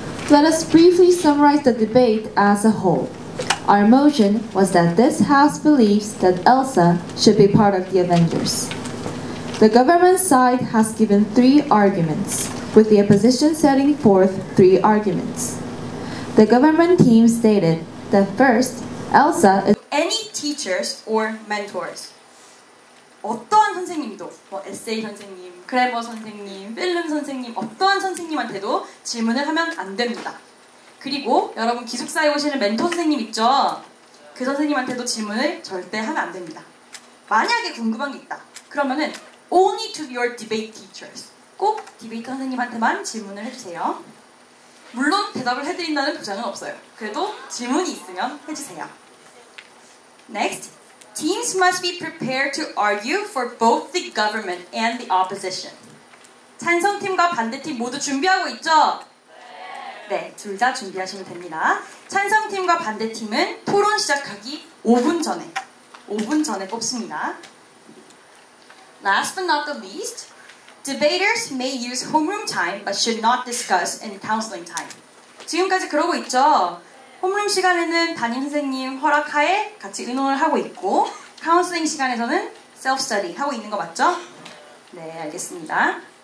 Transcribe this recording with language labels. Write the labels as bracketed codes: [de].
[en] Let us briefly summarize the debate as a whole. Our motion was that this House believes that Elsa should be part of the Avengers. The government side has given three arguments, with the opposition setting forth three arguments. The government team stated that first, Elsa is any teachers or mentors. [ko] 어떠한 선생님도, 뭐 에세이 선생님, 그래머 선생님, 필름 선생님, 어떠한 선생님한테도 질문을 하면 안 됩니다. 그리고 여러분 기숙사에 오시는 멘토 선생님 있죠? 그 선생님한테도 질문을 절대 하면 안 됩니다. 만약에 궁금한 게 있다. 그러면은 [en] only to your debate teachers. [ko] 꼭 디베이터 선생님한테만 질문을 해주세요. 물론 대답을 해드린다는 보장은 없어요. 그래도 질문이 있으면 해주세요. [en] Next, teams must be prepared to argue for both the government and the opposition. [ko] 찬성팀과 반대팀 모두 준비하고 있죠? 네, 둘 다 준비하시면 됩니다. 찬성팀과 반대팀은 토론 시작하기 5분 전에, 5분 전에 뽑습니다. [en] Last but not the least, debaters may use homeroom time but should not discuss in counseling time. [ko] 지금까지 그러고 있죠? 홈룸 시간에는 담임 선생님 허락하에 같이 의논을 하고 있고 카운슬링 시간에서는 self-study 하고 있는 거 맞죠? 네, 알겠습니다.